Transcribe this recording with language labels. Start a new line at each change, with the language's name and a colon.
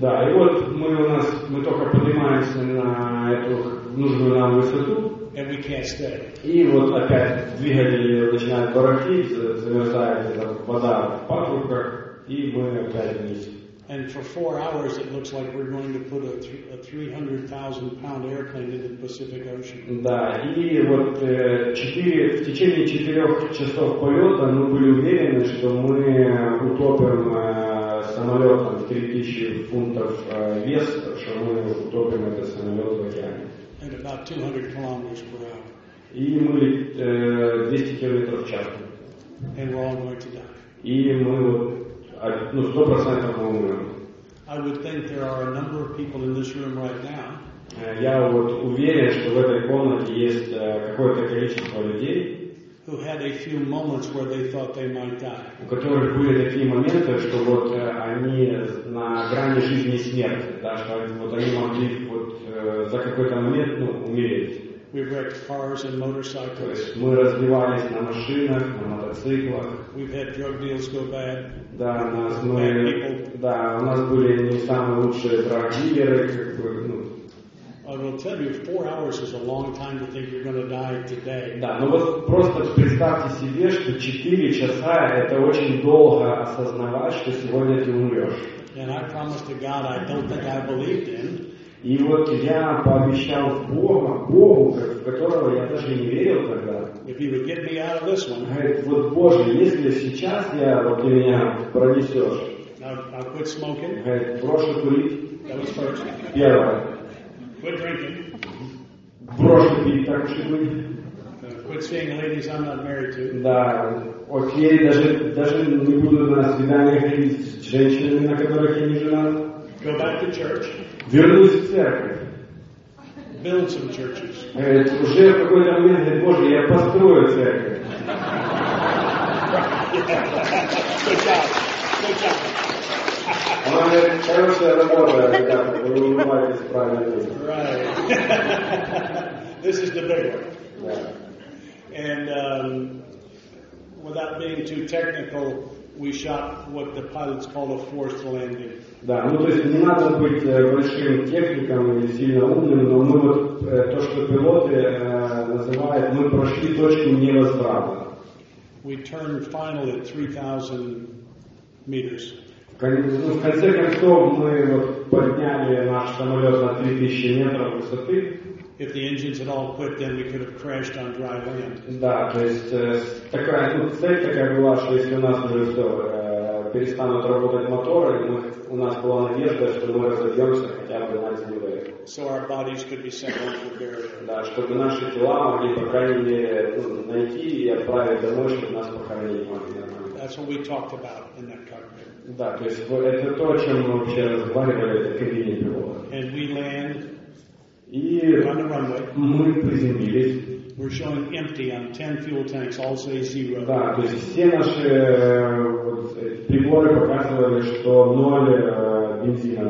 Russian: Да, и вот мы только поднимаемся на эту нужную нам высоту.
English: And we can't stay.
Russian: И вот опять двигатели начинают барахлить, замерзает вода в патрубках, и мы опять вниз.
English: And for 4 hours, it looks like we're going to put a 300,000-pound airplane into the Pacific Ocean.
Russian: Да, и вот в течение 4 часов полета мы были уверены, что мы утопим самолет в 3000 фунтов вес, что мы утопим этот самолет в океане.
English: At about 200 kilometers per hour.
Russian: И мы 200 километров в час.
English: And we're all going to die.
Russian: И мы вот. Ну, 100% мы умрем.
English: I would think there are a number of people in this room right now.
Russian: Я вот уверен, что в этой комнате есть какое-то количество людей,
English: who had a few moments where they thought they might die.
Russian: У которых были такие моменты, что вот они на грани жизни и смерти, да, что вот они могли вот за какой-то момент, ну, умереть.
English: We wrecked cars and motorcycles.
Russian: Мы разбивались на машинах, на мотоциклах.
English: We've had drug deals go bad.
Russian: Да, у нас были не самые лучшие драг-дилеры, как бы, ну.
English: I will tell you, 4 hours is a long time to think you're going to die today.
Russian: Да, но вот просто представьте себе, что 4 часа это очень долго осознавать, что сегодня ты умрешь.
English: And I promise to God, I don't think I believed in.
Russian: И вот я пообещал Богу, в которого я даже не верил тогда.
English: If he would get me out of this one.
Russian: Говорит, вот Боже, если сейчас я, вот ты меня пронесешь.
English: I'll quit smoking.
Russian: Говорит, брошу курить.
English: That was first.
Russian: Первое.
English: Quit drinking.
Russian: Брошу пить так уж и быть.
English: Quit seeing ladies I'm not married to.
Russian: Да, окей, даже не буду на свидание ходить с женщинами, на которых я не женат.
English: Go back to church.
Russian: Вернусь в церковь.
English: Build some churches.
Russian: Уже в какой-то момент, говорит, Боже, я построю церковь.
English: Good job.
Russian: Она говорит, хорошая работа, ребята, вы улыбаетесь правильно.
English: Right. This is the big one. And without being too technical, we shot what the pilots call a forced landing.
Russian: Да, ну то есть не надо быть большим техником или сильно умным, но мы вот то, что пилоты называют, мы прошли точку невозврата.
English: We turned final at 3,000 meters.
Russian: Ну, в конце концов мы вот подняли наш самолет на 3000 метров высоты.
English: If the engines had all quit, then we could have crashed on dry land.
Russian: Да, то есть такая, ну, цель такая была, что если у нас уже все перестанут работать моторы, у нас была надежда, что мы разобьемся хотя бы на землю.
English: so our bodies could be sent home for burial.
Russian: Да, чтобы наши тела могли по крайней мере найти и отправить домой, чтобы нас похоронили.
English: That's what we talked about in that cockpit.
Russian: Да, то есть это то, о чем мы вообще разговаривали в кабине пилота.
English: And we land.
Russian: И
English: on the runway.
Russian: Мы приземлились.
English: We're showing empty on 10 fuel tanks, all say zero.
Russian: Да, то есть все наши приборы показывали, что ноль бензина.